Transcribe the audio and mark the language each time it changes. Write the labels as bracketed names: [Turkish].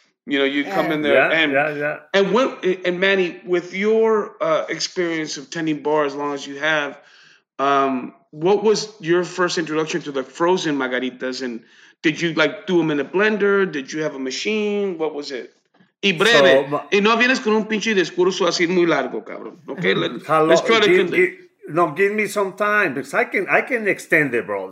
[English] You know, you come in there and Manny, with your experience of tending bar as long as you have, what was your first introduction to the frozen margaritas? And did you like do them in a blender? Did you have a machine? What was it? [Spanish] Y breve. Y no vienes con un pinche discurso así muy largo, cabrón. [English] Okay, let's try to give me some time, because I can extend it, bro.